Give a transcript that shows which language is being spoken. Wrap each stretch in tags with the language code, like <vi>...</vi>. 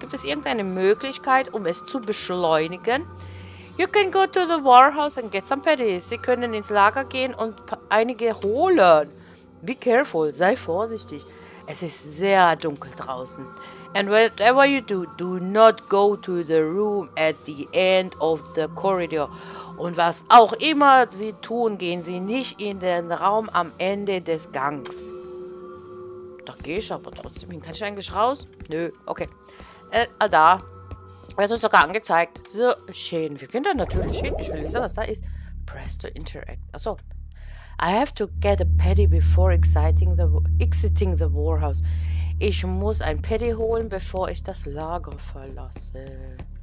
<de>Gibt es irgendeine Möglichkeit, um es zu beschleunigen?</de> <en>You can go to the warehouse and get some patties.</en> <de>Sie können ins Lager gehen und einige holen.</de> <en>Be careful,</en> <de>sei vorsichtig. Es ist sehr dunkel draußen.</de> <en>And whatever you do, do not go to the room at the end of the corridor.</en> <de>Und was auch immer sie tun, gehen sie nicht in den Raum am Ende des Gangs. Da gehe ich aber trotzdem hin. Kann ich eigentlich raus? Nö, okay. Da. Wird uns sogar angezeigt. So, schön. Wir können da natürlich hin. Ich will wissen, was da ist.</de> <en>Press to interact.</en> <de>Achso.</de> <en>I have to get a patty before exiting the warehouse.</en> <de>Ich muss ein Patty holen, bevor ich das Lager verlasse.</de>